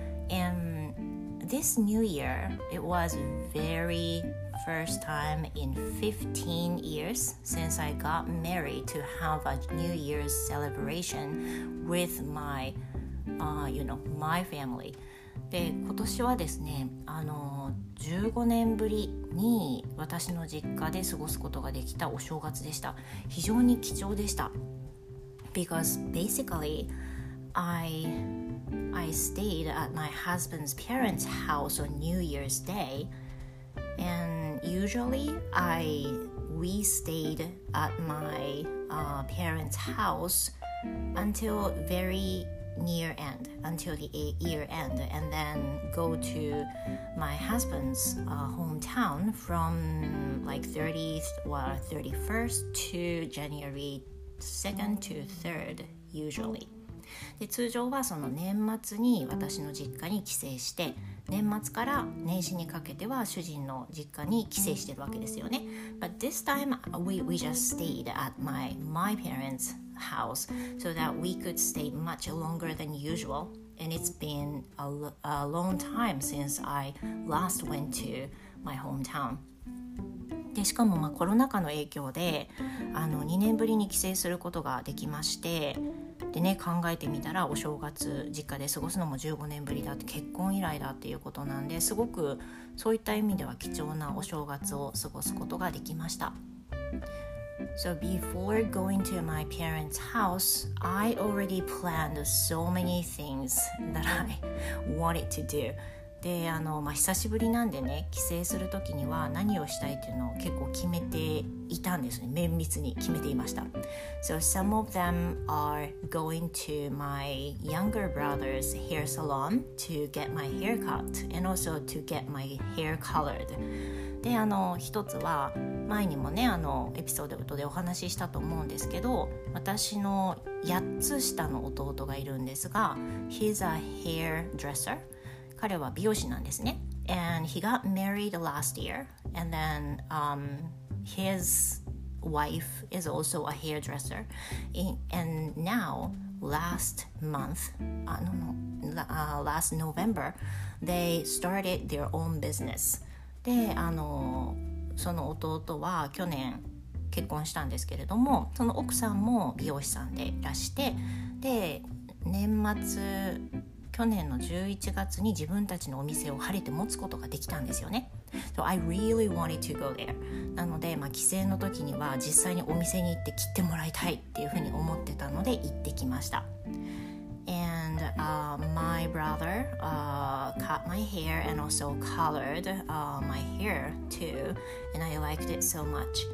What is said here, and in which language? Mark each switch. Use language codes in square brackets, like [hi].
[en] And this new year, it was very first time in 15 years since I got married to have a New Year's celebration with my, my family. [ja] で今年はですね、15年ぶりに私の実家で過ごすことができたお正月でした。非常に貴重でした。 [en] Because basically I stayed at my husband's parents' house on New Year's Day And usually we stayed at my parents' house until very near end, until the year end, and then go to my husband's hometown from like 31st to January 2nd to 3rd usually. [ja] で通常はその年末に私の実家に帰省して、年末から年始にかけては主人の実家に帰省してるわけですよね。 [en] But this time we just stayed at my parents' house so that we could stay much longer than usual, and it's been a long time since I last went to my hometown. [ja] でしかもまあコロナ禍の影響で2年ぶりに帰省することができまして、でね、考えてみたらお正月実家で過ごすのも15年ぶりだって、結婚以来だっていうことなんで、すごくそういった意味では貴重なお正月を過ごすことができました。 [en] So before going to my parents' house, I already planned so many things that I wanted to do. [ja] で久しぶりなんでね、帰省するときには何をしたいっていうのを結構決めていたんですね。綿密に決めていました。 [en] So some of them are going to my younger brother's hair salon to get my hair cut and also to get my hair colored. [ja] で一つは前にもね、エピソードでお話ししたと思うんですけど、私の8つ下の弟がいるんですが、 [en] He's a hairdresser. [ja] 彼は美容師なんですね。 [en] And he got married last year. And then his wife is also a hairdresser. And now, last month, last November, they started their own business. [ja] で、その弟は去年結婚したんですけれども、その奥さんも美容師さんでいらして、で、年末、去年の11月に自分たちのお店を晴れて持つことができたんですよね。 [en] So I really wanted to go there. [ja] なので、帰省の時には実際にお店に行って切ってもらいたいっていうふうに思ってたので行ってきました。 [en] And my brother cut my hair and also colored my hair too, and I liked it so much.